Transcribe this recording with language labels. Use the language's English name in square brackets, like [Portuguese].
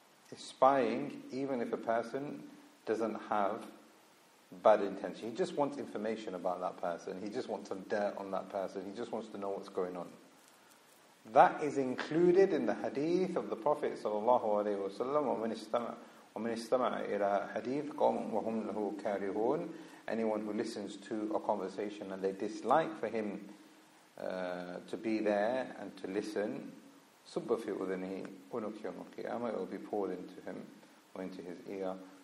[English] It's spying even if a person doesn't have bad intention. He just wants information about that person. He just wants some dirt on that person. He just wants to know what's going on. That is included in the hadith of the Prophet sallallahu alaihi wasallam. [Arabic] ومن استمع إلى حديث قوم وهم له كارهون. [English] Anyone who listens to a conversation and they dislike for him to be there and to listen, [Arabic] صب في أذنه أنك يوم القيامة, [English] it will be poured into him or into his ear.